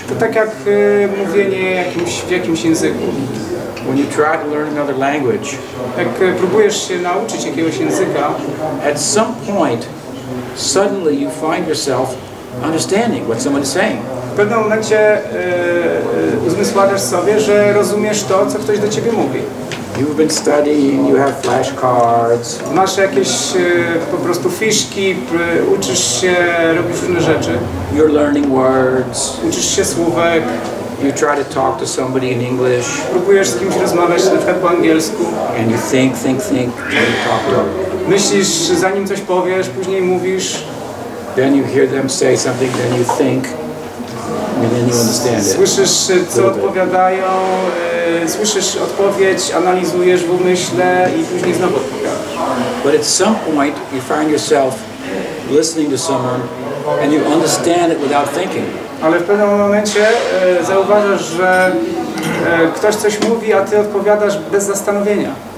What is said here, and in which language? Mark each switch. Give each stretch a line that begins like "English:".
Polish: To tak jak mówienie w jakimś języku.
English: When you try to learn another language,
Polish: jak próbujesz się nauczyć jakiegoś języka,
English: at some point suddenly you find yourself understanding what someone is saying.
Polish: W pewnym momencie uzmysławiasz sobie, że rozumiesz to, co ktoś do ciebie mówi.
English: You've been studying, you have flashcards.
Polish: Masz jakieś po prostu fiszki, uczysz się, robisz różne rzeczy.
English: You're learning words.
Polish: Uczysz się słówek.
English: You try to talk to somebody in English.
Polish: Próbujesz z kimś rozmawiać, na przykład po angielsku.
English: And you think, and you talk to them.
Polish: Myślisz, zanim coś powiesz, później mówisz.
English: Then you hear them say something, then you think, and then you understand it.
Polish: Słyszysz, co odpowiadają. Słyszysz odpowiedź, analizujesz w umyśle i później znowu odpowiadasz.
English: But at some point you find yourself listening to someone and you understand it without thinking.
Polish: Ale w pewnym momencie zauważasz, że ktoś coś mówi, a ty odpowiadasz bez zastanowienia.